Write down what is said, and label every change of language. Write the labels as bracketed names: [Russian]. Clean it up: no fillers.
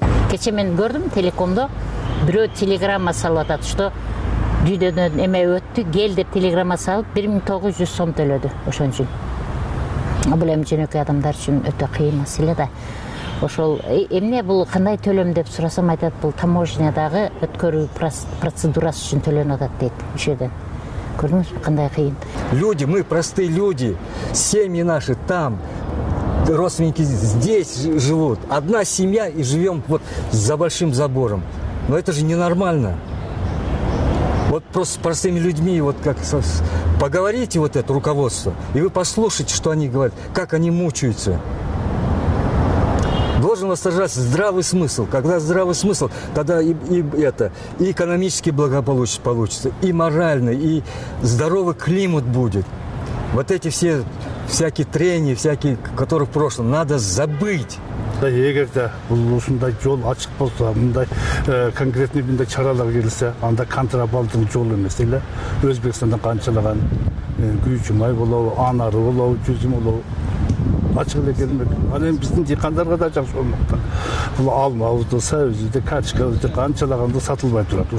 [Kyrgyz] Кече мен көрдүм телекомдо бирөө телеграмма салып атат, что дүйдөдөн эме өттү, кел деп телеграмма салып 1900 сом төлөдү ошон үчүн. Бул эми жөнөкөй адамдар үчүн өтө кыйын маселе да. Ошол эмне бул кандай төлөм деп сурасам айтат, бул таможнядагы өткөрүү процедурасы үчүн төлөнүп атат дейт ошерден. Көрдүңүз кандай кыйын. [Russian] Люди, мы простые люди. Семьи наши там, родственники здесь живут. Одна семья и живем вот за большим забором. Но это же ненормально. Вот просто с простыми людьми, вот как поговорите вот это руководство, и вы послушайте, что они говорят, как они мучаются. Должен восторжаться здравый смысл. Когда здравый смысл, тогда и экономический благополучие получится, и моральный, и здоровый климат будет. Вот эти все всякие трения, всякие, которые в прошлом, надо забыть. [Kyrgyz] Егер да ушундай жол ачык болсо, мындай конкретный мындай чаралар келсе, анда контрабандын жолу эмес эле Өзбекстандан канчалаган күйүүчү май болобу, анары болобу, жүзүм болобу. Ачык эле келмек. Анан эми биздин дыйкандарга да жакшы болмокта. Бул алмабызды, сабызды, качкабызды канчалаганда сатылбай турат.